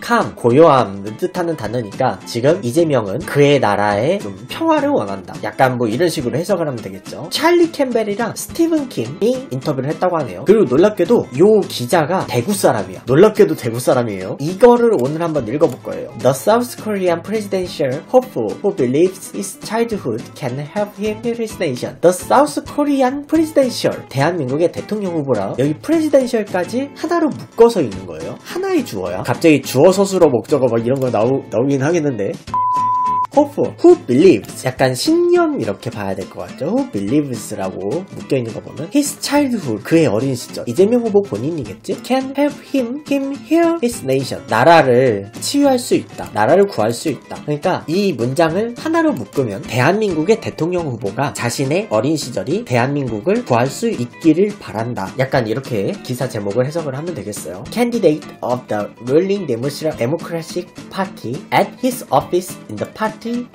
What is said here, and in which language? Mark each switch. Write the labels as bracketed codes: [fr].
[ko] calm, 고요함을 뜻하는 단어니까 지금 이재명은 그의 나라에 좀 평화를 원한다. 약간 뭐 이런 식으로 해석을 하면 되겠죠. 찰리 캠벨이랑 스티븐 킴이 인터뷰를 했다고 하네요. 그리고 놀랍게도 요 기자가 대구 사람이야. 놀랍게도 대구 사람이에요. 이거를 오늘 한번 읽어볼 거예요. [en] The South Korean presidential hopeful who believes his childhood can help him heal his nation. The South Korean presidential. [ko] 대한민국의 대통령 후보라. 여기 presidential까지 하나로 묶어서 있는 거예요. 하나의 주어야. 갑자기 주어 서술어 목적어 막 이런 거 나오긴 하겠는데. [en] Hope, who believes? [ko] 약간 신념 이렇게 봐야 될것 같죠? Who believes라고 묶여 있는 거 보면 his childhood, 그의 어린 시절. 이재명 후보 본인이겠지? [en] Can help him heal his nation. [ko] 나라를 치유할 수 있다. 나라를 구할 수 있다. 그러니까 이 문장을 하나로 묶으면 대한민국의 대통령 후보가 자신의 어린 시절이 대한민국을 구할 수 있기를 바란다. 약간 이렇게 기사 제목을 해석을 하면 되겠어요. [en] Candidate of the ruling Democratic Party at his office in the party.